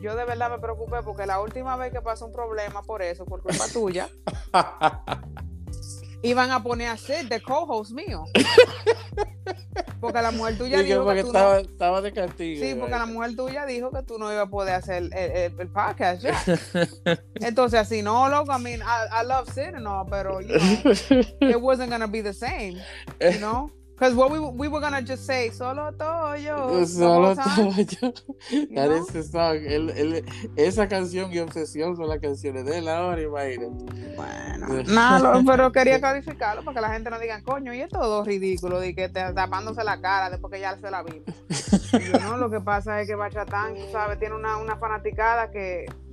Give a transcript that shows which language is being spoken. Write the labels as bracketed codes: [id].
[es] Yo de verdad me preocupé porque la última vez que pasó un problema por eso, por culpa tuya, iban a poner a Sid de co-host mío. Porque la mujer tuya dijo porque que estaba de castigo. Sí, porque la mujer tuya dijo que tú no ibas a poder hacer el podcast. Ya. Entonces, así no, loco. [en] I mean, I love Sid and all, pero you know, it wasn't going to be the same, you know? Because what we were going to just say, solo toyo. Solo toyo. That is the song. [es] Esa canción y obsesión son las canciones de él ahora, imagínate. Bueno. No, pero quería calificarlo para que la gente no diga, coño, y es todo ridículo, de que tapándose la cara después que ya se la vimos. No, lo que pasa es que Bachatan, tú sabes, tiene una fanaticada que.